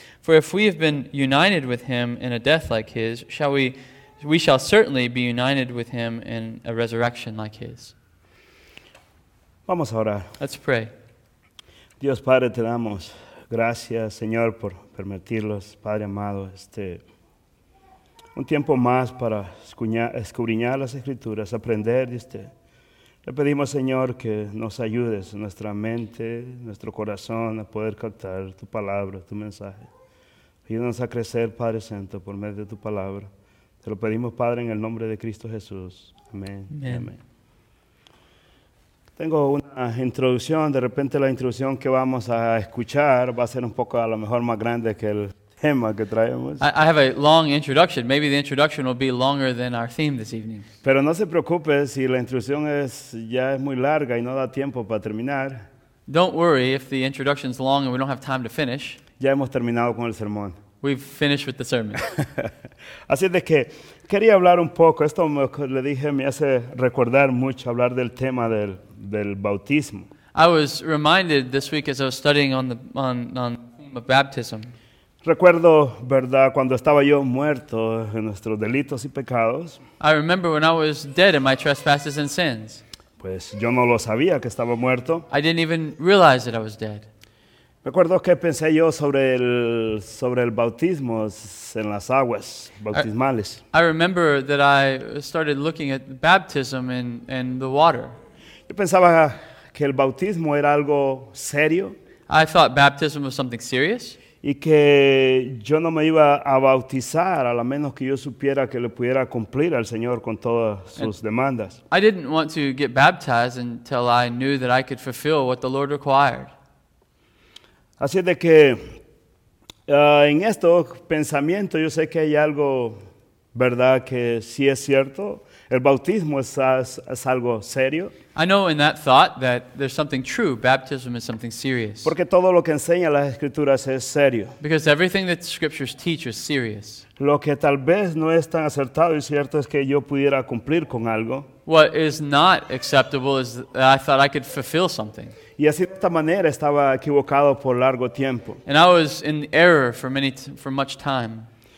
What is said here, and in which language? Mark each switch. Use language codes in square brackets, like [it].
[en] For if we have been united with Him in a death like His, we shall certainly be united with Him in a resurrection like His. [es] Vamos a orar. [en] Let's pray. [es] Dios Padre, te damos gracias, Señor, por permitirnos, Padre amado, un tiempo más para escudriñar las Escrituras, aprender de usted. Le pedimos, Señor, que nos ayudes nuestra mente, nuestro corazón a poder captar tu palabra, tu mensaje. Ayúdanos a crecer, Padre Santo, por medio de tu palabra. Te lo pedimos, Padre, en el nombre de Cristo Jesús. Amén. [en] Amen. Amen. [es] Tengo una introducción. De repente la introducción que vamos a escuchar va a ser un poco a lo mejor más grande que el tema que traemos. [en] I have a long introduction. Maybe the introduction will be longer than our theme this evening. [es] Pero no se preocupe si la introducción ya es muy larga y no da tiempo para terminar. [en] Don't worry if the introduction is long and we don't have time to finish. [es] Ya hemos terminado con el sermón. [en] We've finished with the sermon. [es] Así de que quería hablar un poco. Esto le dije, me hace recordar mucho hablar del tema del bautismo. [en] I was reminded this week as I was studying on the theme of baptism. [es] Recuerdo, ¿verdad?, cuando estaba yo muerto en nuestros delitos y pecados. [en] I remember when I was dead in my trespasses and sins. [es] Pues yo no lo sabía que estaba muerto. [en] I didn't even realize that I was dead. [es] Recuerdo que pensé yo sobre el bautismo en las aguas bautismales. [en] I remember that I started looking at baptism in the water. [es] Yo pensaba que el bautismo era algo serio. [en] I thought baptism was something serious. [es] Y que yo no me iba a bautizar a lo menos que yo supiera que le pudiera cumplir al Señor con todas sus demandas. [en] I didn't want to get baptized until I knew that I could fulfill what the Lord required. [es] Así de que en este pensamiento yo sé que hay algo, ¿verdad?, que sí es cierto. El bautismo es algo serio. [en] I know in that thought that there's something true. Baptism is something serious. [es] Porque todo lo que enseña las escrituras es serio. [en] Because everything that the scriptures teach is serious. [es] Lo que tal vez no es tan acertado y cierto es que yo pudiera cumplir con algo. [en] What is not acceptable is that I thought I could fulfill something. [es] Y así de esta manera estaba equivocado por largo tiempo. [en] And I was in error for much time.